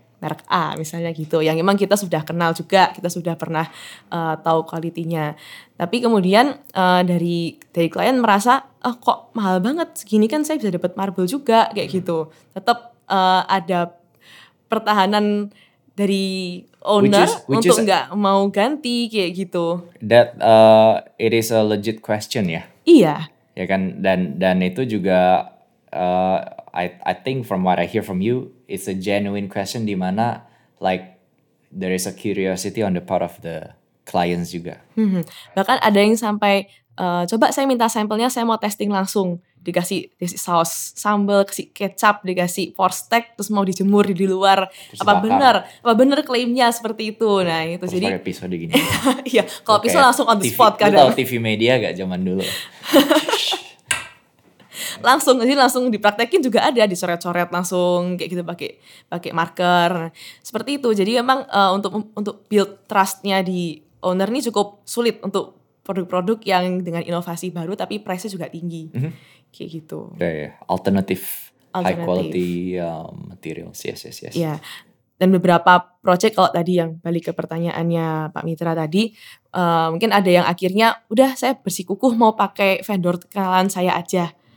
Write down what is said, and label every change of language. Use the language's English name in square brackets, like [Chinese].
[Indonesian] Merek A misalnya gitu, yang memang kita sudah kenal juga, kita sudah pernah tahu kualitinya. Tapi kemudian dari klien merasa, kok mahal banget, segini kan saya bisa dapat marble juga, kayak gitu. Tetap ada pertahanan dari owner untuk nggak mau ganti, kayak gitu. [English] That it is a legit question ya? [Indonesian] Iya. Ya kan, dan itu juga... [English] I think from what I hear from you, it's a genuine question [Indonesian] di mana [English] like there is a curiosity on the part of the clients [Indonesian] juga. Bahkan ada yang sampai coba saya minta sampelnya, saya mau testing langsung, dikasih saus sambal, kasih kecap, dikasih porstek, terus mau dijemur di luar. Terus apa bakar. Benar? Apa benar klaimnya seperti itu? Nah itu terus jadi. Kalau episode gini. Iya, kalau episode kayak langsung on the [English] TV, spot kan. [Indonesian] Tahu TV media gak zaman dulu? Langsung jadi langsung dipraktekin juga ada, dicoret-coret langsung kayak gitu pakai marker seperti itu. Jadi memang untuk build trustnya di owner ini cukup sulit untuk produk-produk yang dengan inovasi baru tapi price-nya juga tinggi. Mm-hmm. Kayak gitu. [English] Alternative. High quality materials. Yes. [Indonesian] Iya. Dan beberapa project kalau tadi yang balik ke pertanyaannya Pak Mitra tadi, mungkin ada yang akhirnya udah saya bersikukuh mau pakai vendor kenalan saya aja.